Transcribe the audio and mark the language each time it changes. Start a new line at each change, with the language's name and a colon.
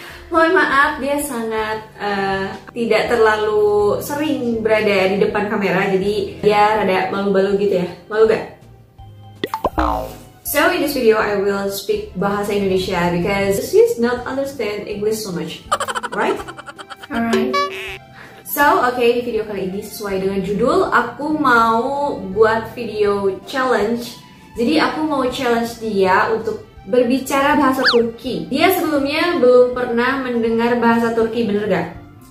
Indonesian: Mohon maaf, dia sangat tidak terlalu sering berada di depan kamera. Jadi dia rada malu-malu gitu ya. Malu gak?
English: So in this video, I will speak bahasa Indonesia because she's not understand English so much. Right? Alright.
Indonesian: So, okay, di video kali ini sesuai dengan judul, aku mau buat video challenge. Jadi aku mau challenge dia untuk berbicara bahasa Turki. Dia sebelumnya belum pernah mendengar bahasa Turki, bener gak?